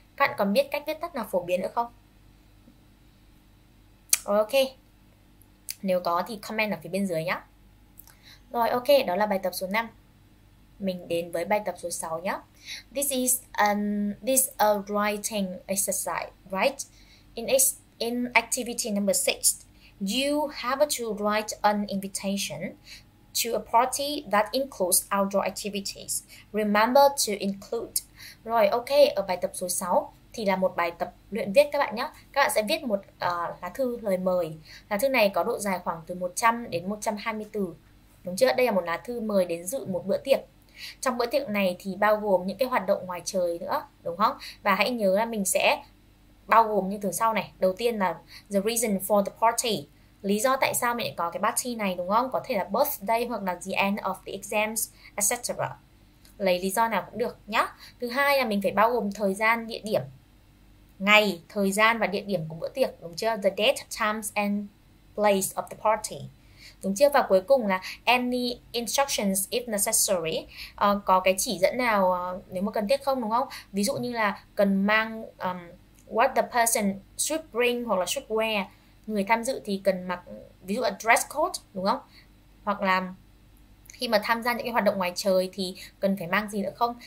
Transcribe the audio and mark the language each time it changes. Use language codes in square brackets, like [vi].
[vi] Các bạn còn biết cách viết tắt nào phổ biến nữa không? Ok, nếu có thì comment ở phía bên dưới nhé. Rồi ok, đó là bài tập số 5. Mình đến với bài tập số 6 nhé. [en] This is a writing exercise, right? In activity number 6, you have to write an invitation to a party that includes outdoor activities. Remember to include. [vi] Rồi ok, ở bài tập số 6 thì là một bài tập luyện viết các bạn nhé. Các bạn sẽ viết một lá thư lời mời. Lá thư này có độ dài khoảng từ 100 đến 120 từ. Đúng chưa? Đây là một lá thư mời đến dự một bữa tiệc. Trong bữa tiệc này thì bao gồm những cái hoạt động ngoài trời nữa, đúng không? Và hãy nhớ là mình sẽ bao gồm những từ sau này. Đầu tiên là [en] the reason for the party. [vi] Lý do tại sao mình có cái party này, đúng không? Có thể là birthday hoặc là [en] the end of the exams, [vi] etc. Lấy lý do nào cũng được nhá. Thứ hai là mình phải bao gồm thời gian, địa điểm. Ngày, thời gian và địa điểm của bữa tiệc, đúng chưa? [en] The date, times and place of the party. [vi] Đúng chưa? Và cuối cùng là [en] any instructions if necessary. [vi] Có cái chỉ dẫn nào nếu mà cần thiết không, đúng không? Ví dụ như là cần mang [en] what the person should bring [vi] hoặc là [en] should wear. [vi] Người tham dự thì cần mặc, ví dụ là dress code, đúng không? Hoặc là khi mà tham gia những cái hoạt động ngoài trời thì cần phải mang gì nữa không?